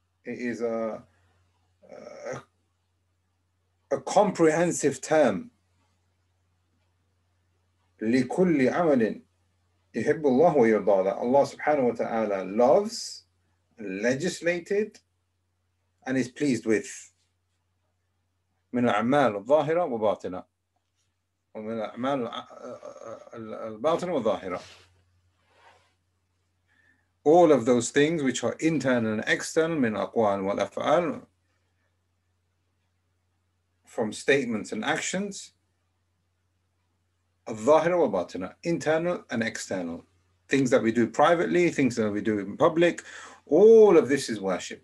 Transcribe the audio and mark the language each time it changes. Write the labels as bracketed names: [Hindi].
[English] It is a comprehensive term. [Arabic] Li kulli amalin yuhibbu Allah wa yurda, [English] that Allah subhanahu wa ta'ala loves, legislated, and is pleased with. [Arabic] من الأعمال الظاهرة والباطنة ومن الأعمال الباطنة والظاهرة. [English] All of those things which are internal and external, [Arabic] من أقوال والأفعال, [English] from statements and actions, [Arabic] الظاهرة والباطنة, [English] internal and external, things that we do privately, things that we do in public, all of this is worship.